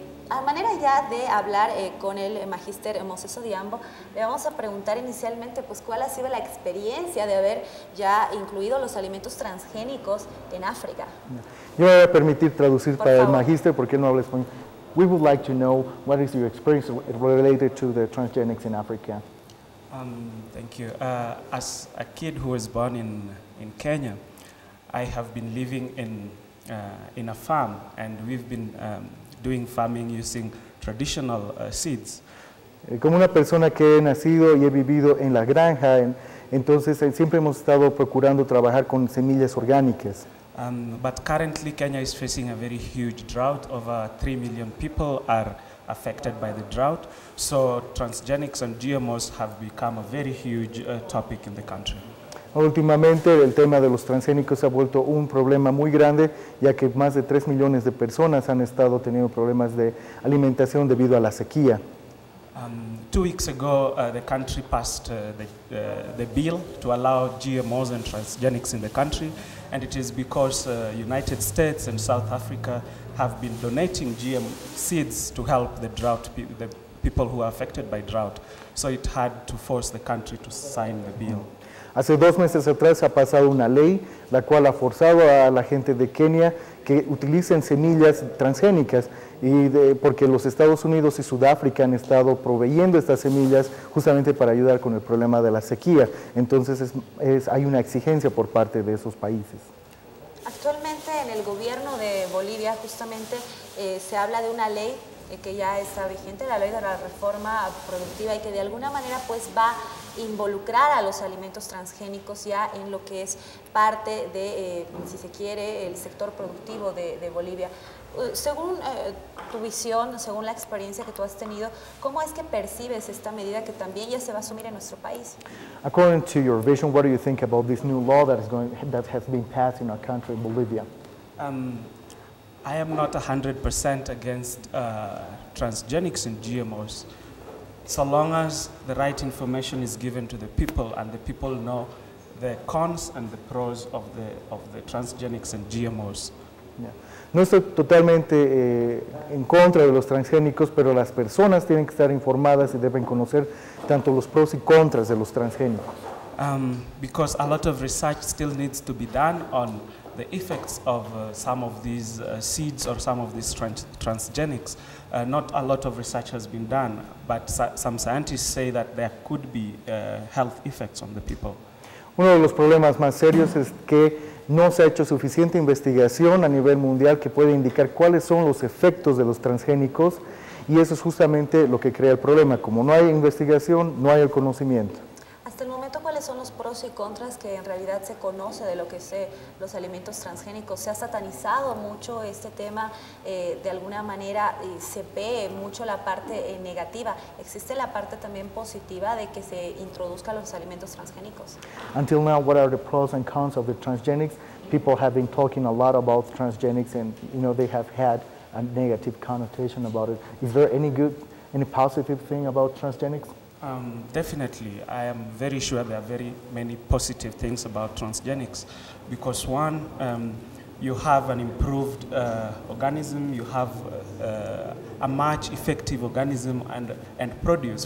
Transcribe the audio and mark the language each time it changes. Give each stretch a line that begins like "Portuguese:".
Spanish: A manera ya de hablar con el magíster Moses Odhiambo, le vamos a preguntar inicialmente, pues, cuál ha sido la experiencia de haber ya incluido los alimentos transgénicos en África. Yo me voy a permitir traducir para el magíster, porque no habla español.
English: We would like to know what is your experience related to the transgenics in Africa. Thank you. As a kid who was born in Kenya, I have been living in a farm, and we've been doing farming using traditional seeds.
Spanish: Como una persona que he nacido y he vivido en la granja, entonces siempre hemos estado procurando trabajar con semillas orgánicas.
English: But currently Kenya is facing a very huge drought. Over 3 million people are affected by the drought. So transgenics and GMOs have become a very huge topic in the country.
Spanish: Últimamente el tema de los transgénicos se ha vuelto un problema muy grande, ya que más de 3 millones de personas han estado teniendo problemas de alimentación debido a la sequía.
English: 2 weeks ago, the country passed the bill to allow GMOs and transgenics in the country, and it is because United States and South Africa have been donating GM seeds to help the drought, the people who are affected by drought. So it had to force the country to sign the bill.
Spanish: Hace 2 meses atrás ha pasado una ley la cual ha forzado a la gente de Kenia que utilicen semillas transgénicas, y porque los Estados Unidos y Sudáfrica han estado proveyendo estas semillas justamente para ayudar con el problema de la sequía. Entonces hay una exigencia por parte de esos países. Actualmente en el gobierno de Bolivia justamente se habla de una ley que ya está vigente, la ley de la reforma productiva, y que de alguna manera pues va a involucrar a los alimentos transgénicos ya en lo que es parte de, si se quiere, el sector productivo de Bolivia. Según tu visión, según la experiencia que tú has tenido, ¿cómo es que percibes esta medida que también ya se va a asumir en nuestro país?
English: According to your vision, what do you think about this new law that is going, that has been passed in our country, Bolivia? I am not 100% against transgenics and GMOs, so long as the right information is given to the people and the people know the cons and the pros of the transgenics and GMOs. Yeah.
Spanish: No estoy totalmente en contra de los transgénicos, pero las personas tienen que estar informadas y deben conocer tanto los pros y contras de los transgénicos.
English: Because a lot of research still needs to be done on the effects of some of these seeds or some of these transgenics. Not a lot of research has been done, but some scientists say that there could be health effects on the people.
Spanish: Uno de los problemas más serios es que no se ha hecho suficiente investigación a nivel mundial que pueda indicar cuáles son los efectos de los transgénicos, y eso es justamente lo que crea el problema. Como no hay investigación, no hay el conocimiento. Hasta el momento, ¿cuáles son los pros y contras que en realidad se conoce de lo que son los alimentos transgénicos? ¿Se ha satanizado mucho este tema? ¿De alguna manera se ve mucho la parte negativa? ¿Existe la parte también positiva de que se introduzcan los alimentos transgénicos?
English: Until now, what are the pros and cons of the transgenics? People have been talking a lot about transgenics and, you know, they have had a negative connotation about it. Is there any good, any positive thing about transgenics? Definitely. I am very sure there are very many positive things about transgenics, because one, you have an improved organism, you have a much effective organism and produce.